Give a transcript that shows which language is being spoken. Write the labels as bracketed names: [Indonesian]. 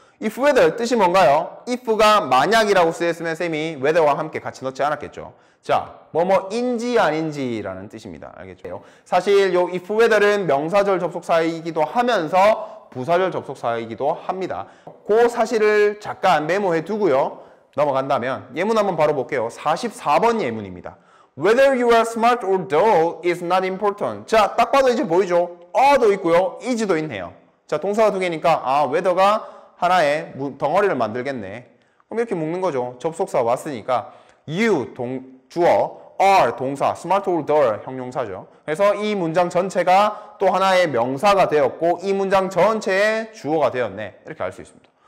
[Korean] If whether 뜻이 뭔가요? If가 만약이라고 쓰였으면 쌤이 whether와 함께 같이 넣지 않았겠죠. 자, 뭐뭐인지 아닌지라는 뜻입니다. 알겠죠? 사실 요 if whether은 명사절 접속사이기도 하면서 부사절 접속사이기도 합니다. 그 사실을 잠깐 메모해 두고요. 넘어간다면 예문 한번 바로 볼게요. 44번 예문입니다. [English] Whether you are smart or dull is not important. [Korean] 자, 딱 봐도 이제 보이죠? are도 있고요. is도 있네요. 자, 동사가 두 개니까 아, whether가 하나의 덩어리를 만들겠네. 그럼 이렇게 묶는 거죠. 접속사 왔으니까 you, 주어, are, 동사, [English] smart or dull, [Korean] 형용사죠. 그래서 이 문장 전체가 또 하나의 명사가 되었고 이 문장 전체의 주어가 되었네. 이렇게 알 수 있습니다.